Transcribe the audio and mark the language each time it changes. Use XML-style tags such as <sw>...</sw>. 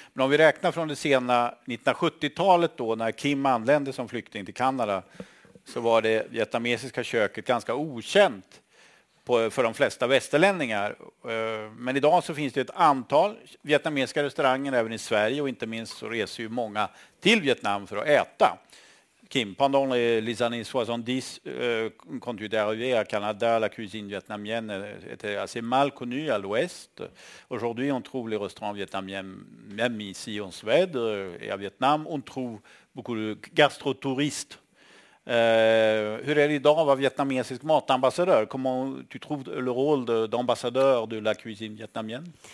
<sv>Men om vi räknar från det sena 1970-talet då, när Kim anlände som flykting till Kanada, så var det vietnamesiska köket ganska okänt för de flesta västerlänningar. Men idag så finns det ett antal vietnamesiska restauranger även i Sverige, och inte minst så reser ju många till Vietnam för att äta.</sv> <fr>Kim, pendant les années 70, quand tu es arrivé à Canada, la cuisine vietnamienne était assez mal connue à l'ouest. Aujourd'hui, on trouve les restaurants vietnamiens même ici en Suède et à Vietnam, on trouve beaucoup de gastro-touristes.</fr> <sv>Hur är det idag att vara vietnamesisk matambassadör?</sv> <fr>Comment tu trouves le rôle d'ambassadeur de la cuisine vietnamienne?</fr>